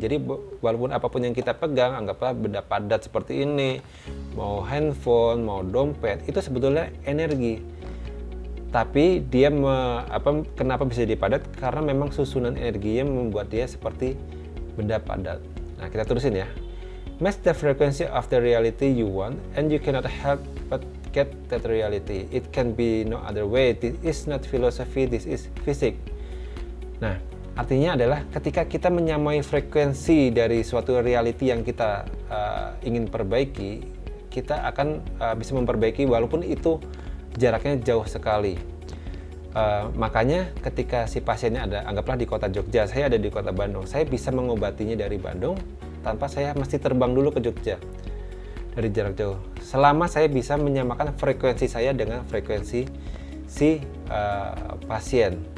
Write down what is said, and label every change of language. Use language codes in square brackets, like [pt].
[id] Jadi walaupun apapun yang kita pegang, anggaplah benda padat seperti ini, mau handphone, mau dompet, itu sebetulnya energi. Tapi dia kenapa bisa jadi padat? Karena memang susunan energinya membuat dia seperti benda padat. Nah, kita terusin ya. [en] Match the frequency of the reality you want and you cannot help but get that reality. It can be no other way. This is not philosophy, this is physics. [id] Nah, artinya adalah ketika kita menyamai frekuensi dari suatu reality yang kita ingin perbaiki, kita akan bisa memperbaiki walaupun itu jaraknya jauh sekali. Makanya ketika si pasiennya ada, anggaplah di kota Jogja, saya ada di kota Bandung, saya bisa mengobatinya dari Bandung tanpa saya mesti terbang dulu ke Jogja dari jarak jauh, selama saya bisa menyamakan frekuensi saya dengan frekuensi si pasien.